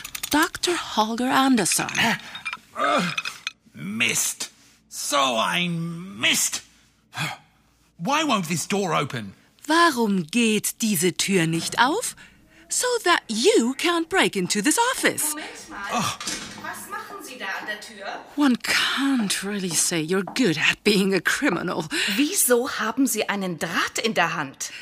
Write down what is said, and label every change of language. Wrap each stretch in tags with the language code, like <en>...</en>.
<de>Dr. Holger Anderson. Mist. So ein Mist.</de> <en>Why won't this door open?</en> <de>Warum geht diese Tür nicht auf?</de> <en>So that you can't break into this office.</en> <de>Moment mal. Was machen Sie da an der Tür?</de> <en>One can't really say you're good at being a criminal.</en> <de>Wieso haben Sie einen Draht in der Hand?</de>